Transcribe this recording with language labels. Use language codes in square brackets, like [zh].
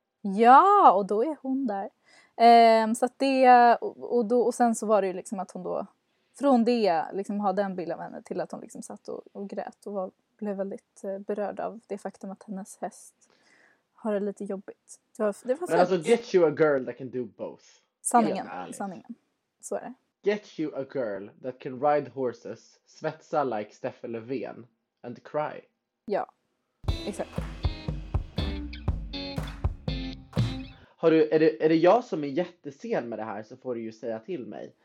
[sv] Ja, och då är hon där. Så att det, och sen så var det ju liksom att hon då, från det, liksom har den bilden av henne till att hon liksom satt och grät och blev väldigt berörd av det faktum att hennes häst har det lite jobbigt. Det var men alltså, [en] get you a girl that can do both. [sv] Sanningen, sanningen. Så är det. [en] Get you a girl that can ride horses, [sv] svetsa [en] like Stefan Löfven, and cry. [sv] Ja, exakt. Är det jag som är jättesen med det här så får du ju säga till mig.